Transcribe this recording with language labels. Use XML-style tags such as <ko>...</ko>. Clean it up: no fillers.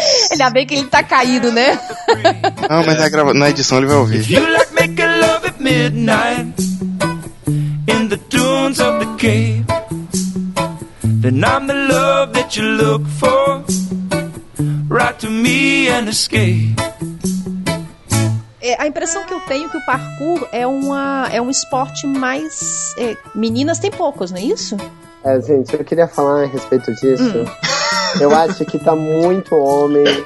<pt>Ainda bem que ele tá caído, né? Não, mas na edição ele vai ouvir.</pt> <en>You like making love at midnight in the dunes of the cave. Then I'm the love that you look for. Write to me and escape.</en> <pt>A impressão que eu tenho é que o parkour é um esporte mais... meninas tem poucos, não é isso? Gente, eu queria falar a respeito disso. Eu acho que tá muito homem.</pt>